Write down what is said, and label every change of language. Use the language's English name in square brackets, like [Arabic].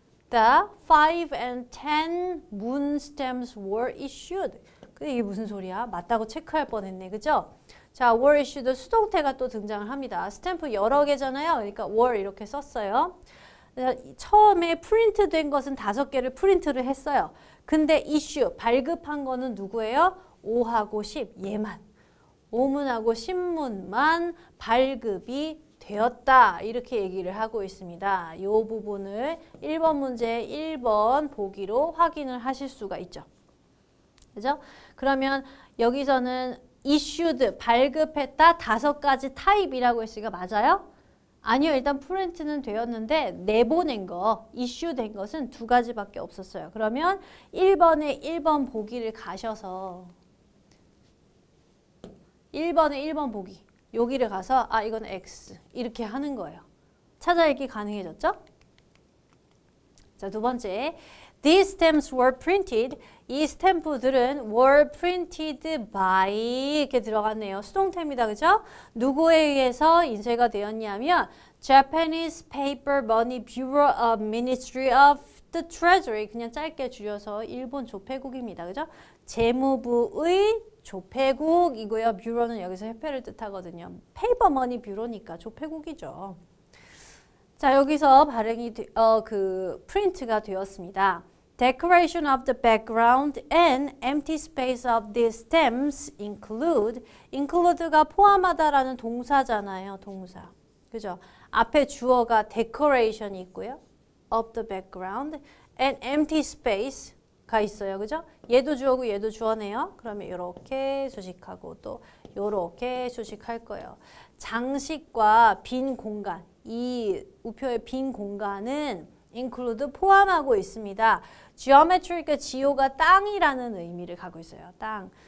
[English] The 5 and 10 moon stamps were issued. [Korean] 근데 이게 무슨 소리야? 맞다고 체크할 뻔했네. 그죠? 자, [English] were issued [Korean] 수동태가 또 등장을 합니다. 스탬프 여러 개잖아요. 그러니까 were 이렇게 썼어요. 처음에 프린트된 것은 다섯 개를 프린트를 했어요. 근데 이슈, 발급한 거는 누구예요? 5하고 10, 얘만. 5문하고 10문만 발급이 되었다. 이렇게 얘기를 하고 있습니다. 이 부분을 1번 문제 1번 보기로 확인을 하실 수가 있죠. 그죠? 그러면 여기서는 issued, 발급했다 다섯 가지 타입이라고 했으니까 맞아요? 아니요. 일단 프린트는 되었는데 내보낸 거, 이슈된 것은 두 가지밖에 없었어요. 그러면 1번에 1번 보기를 가셔서 1번에 1번 보기 여기를 가서 아 이건 X 이렇게 하는 거예요. 찾아읽기 가능해졌죠? 자, 두 번째 [English] These stamps were printed. [Korean] 이 스탬프들은 [English] were printed by [Korean] 이렇게 들어갔네요. 수동태입니다. 그죠? 누구에 의해서 인쇄가 되었냐면 [English] Japanese Paper Money Bureau of Ministry of the Treasury [Korean] 그냥 짧게 줄여서 일본 조폐국입니다. 그죠? 재무부의 조폐국이고요. 뷰러는 여기서 협회를 뜻하거든요. 페이퍼 머니 뷰러니까 조폐국이죠. 자, 여기서 발행이 프린트가 되었습니다. [English] Decoration of the background and empty space of these stamps include include가 [Korean] 포함하다라는 동사잖아요. 동사. 그죠? 앞에 주어가 decoration 있고요. [English] of the background and empty space [Korean] 가 있어요. 그죠? 얘도 주어고 얘도 주어네요. 그러면 이렇게 수식하고 또 이렇게 수식할 거예요. 장식과 빈 공간. 이 우표의 빈 공간은 include 포함하고 있습니다. geometric 지오가 땅이라는 의미를 가고 있어요. 땅.